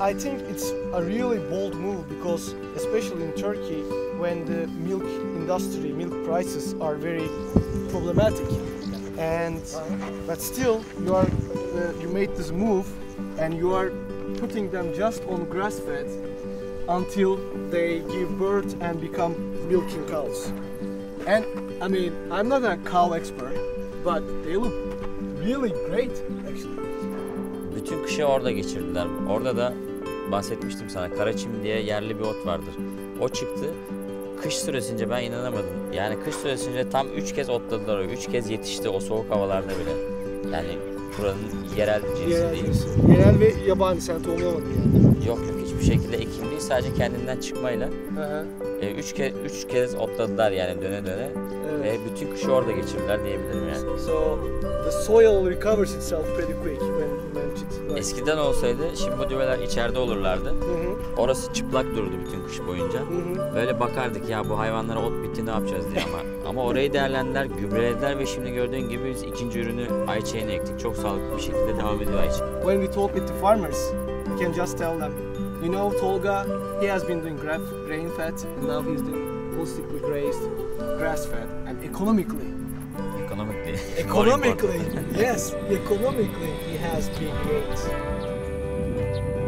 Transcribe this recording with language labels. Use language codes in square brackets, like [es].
[en] I think it's a really bold move, because especially in Turkey, when the milk industry, milk prices are very problematic, and but still you are you made this move, and you are putting them just on grass fed until they give birth and become milking cows. And I mean, I'm not a cow expert, but they look really great actually. [tr] Bütün kışı orada geçirdiler. Orada da bahsetmiştim sana, karaçim diye yerli bir ot vardır. O çıktı. Kış süresince ben inanamadım. Yani kış süresince tam 3 kez otladılar. 3 kez yetişti o soğuk havalarda bile. Yani buranın yerel cinsi değil. Yerel ve yabani, sen tohumlamadın yani. Yok yok, hiçbir şekilde ekim değil. Sadece kendinden çıkmayla. Hı hı. 3 kez otladılar yani döne döne. Evet. Ve bütün kışı orada geçirdiler diyebilirim yani. [en] So the soil recovers itself pretty quick when it's... [tr] Eskiden olsaydı şimdi bu düveler içeride olurlardı. Hı-hı. Orası çıplak durdu bütün kış boyunca. Hı-hı. Böyle bakardık ya, bu hayvanlara ot bitti, ne yapacağız diye ama. Ama orayı değerlendiler, gübrelediler ve şimdi gördüğün gibi biz ikinci ürünü ayçiçeğine ektik. Çok sağlıklı bir şekilde devam ediyor ayçiçeği. [en] When we talk with the farmers, we can just tell them, you know Tolga, he has been doing grain fed, and now he's doing holistically grazed, grass-fed, and economically, yes, economically, he has been great.